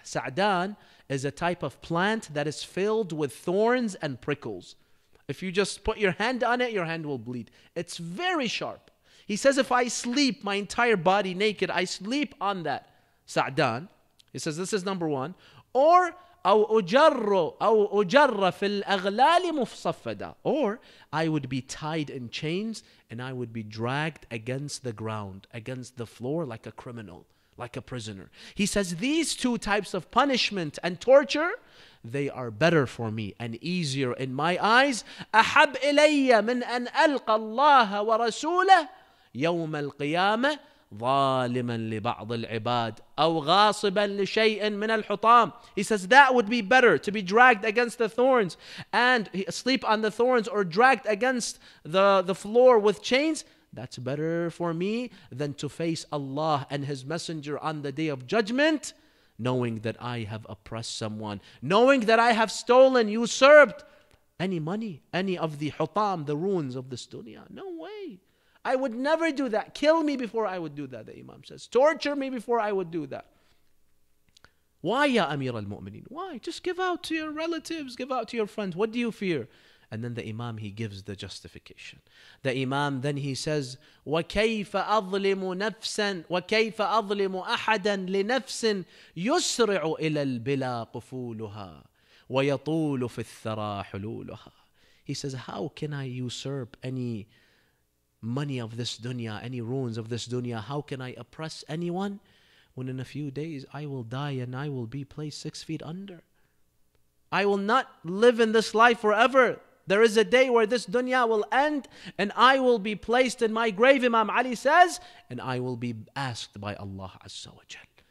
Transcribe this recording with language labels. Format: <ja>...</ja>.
<en>Sa'dan is a type of plant that is filled with thorns and prickles. If you just put your hand on it, your hand will bleed. It's very sharp. He says, if I sleep my entire body naked, I sleep on that sa'dan. He says, this is number one. Or,</en> <ar>أو أجر في الأغلال مفصفدا.</ar> <en>Or, I would be tied in chains and I would be dragged against the ground, against the floor like a criminal, like a prisoner. He says, these two types of punishment and torture, they are better for me and easier in my eyes.</en> <ar>أحب إلي من أن ألقى الله ورسوله يوم القيامة ظالما لبعض العباد أو غاصبا لشيء من الحطام.</ar> <en>He says, that would be better, to be dragged against the thorns and sleep on the thorns, or dragged against the floor with chains. That's better for me than to face Allah and His Messenger on the Day of Judgment, knowing that I have oppressed someone, knowing that I have stolen, usurped any money, any of the hutam, the ruins of this dunya. No way. I would never do that. Kill me before I would do that, the Imam says. Torture me before I would do that. Why, ya Amir al-Mu'mineen? Why? Just give out to your relatives, give out to your friends. What do you fear? And then the Imam, he gives the justification. The Imam, then he says,</en> <ar>وَكَيْفَ أَظْلِمُ نَفْسًا وَكَيْفَ أَظْلِمُ أَحَدًا لِنَفْسٍ يُسْرِعُ إِلَى الْبِلَى قُفُولُهَا وَيَطُولُ فِي الثَّرَى حُلُولُهَا.</ar> <en>He says, how can I usurp any money of this dunya, any ruins of this dunya? How can I oppress anyone when in a few days I will die and I will be placed 6 feet under? I will not live in this life forever. There is a day where this dunya will end and I will be placed in my grave, Imam Ali says, and I will be asked by Allah Azza wa Jal.</en>